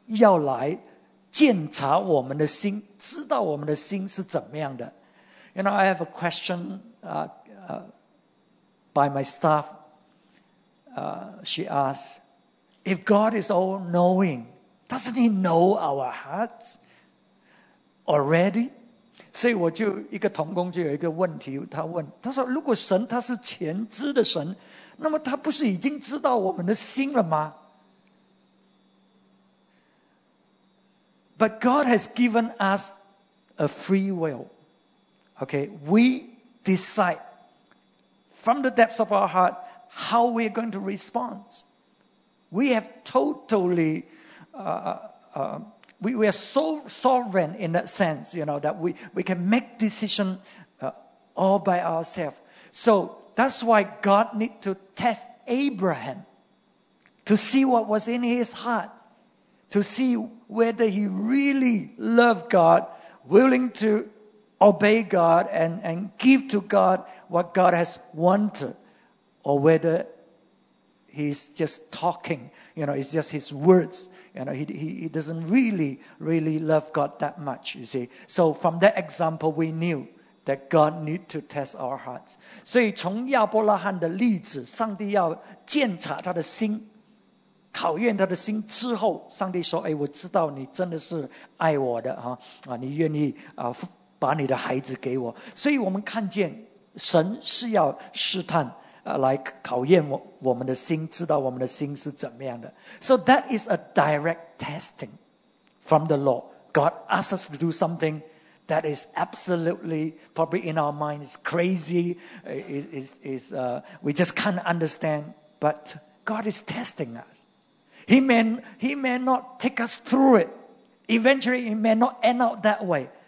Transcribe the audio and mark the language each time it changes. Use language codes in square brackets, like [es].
[zh] 甚至上帝自己本身要来检查我们的心, 知道我们的心是怎么样的。 [en] You know, I have a question by my staff. She asked, if God is all-knowing, doesn't he know our hearts already? [zh] 所以我就一个同工就有一个问题, 他问, 他说, 如果神他是全知的神, 那么他不是已经知道我们的心了吗? [en] But God has given us a free will. Okay, we decide from the depths of our heart how we are going to respond. We have totally, we are so sovereign in that sense, you know, that we can make decision all by ourselves. So that's why God need to test Abraham to see what was in his heart, to see whether he really loved God, willing to obey God and give to God what God has wanted, or whether he's just talking, you know, it's just his words. You know, he doesn't really, really love God that much, you see. So from that example, we knew that God need to test our hearts. [zh] 所以从亚伯拉罕的例子, 上帝要检查他的心, 考验他的心之后, 上帝说, 哎, 我知道你真的是爱我的, 啊, 你愿意, 啊, 把你的孩子给我, 所以我们看见神是要试探, 来考验我们的心, 知道我们的心是怎么样的。 [en] So that is a direct testing from the Lord. God asks us to do something that is absolutely, probably in our mind, is crazy, we just can't understand, but God is testing us. He may not take us through it. Eventually, it may not end out that way.